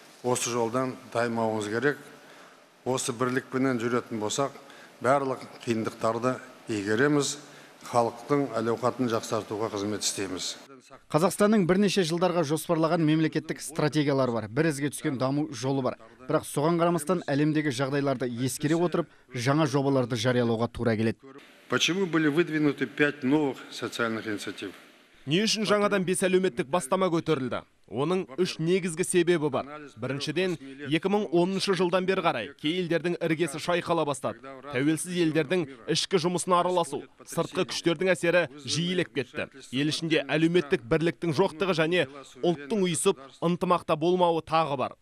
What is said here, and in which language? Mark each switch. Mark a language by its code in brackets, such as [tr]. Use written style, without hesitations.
[kk] Осы жолдан таймауымыз керек. Осы бірлікпенен жүретін болсақ, барлық қиындықтарды игереміз, халықтың әл-ауқатын жақсартуға қызмет істейміз. Қазақстанның бірнеше жылдарға жоспарлаған мемлекеттік стратегиялар бар, бір ізге түскен даму жолы бар. Бірақ соған қарамастан әлемдегі жағдайларды ескере отырып, жаңа жобаларды жариялауға тура келеді. [ru] Почему были выдвинуты 5 новых социальных инициатив? [kk] Не үшін жаңадан 5 әлеуметтік бастама көтерілді? Оның 3 негізгі себебі бар. Біріншіден, 2010 жылдан бері қарай елдердің іргесі шайқала бастады. Тәуелсіз елдердің ішкі жұмысына араласу, сыртқы күштердің әсері жиілеп кетті. Ел ішінде әлеуметтік бірліктің жоқтығы және ұлттың ұйысып ынтымақта болмауы тағы бар.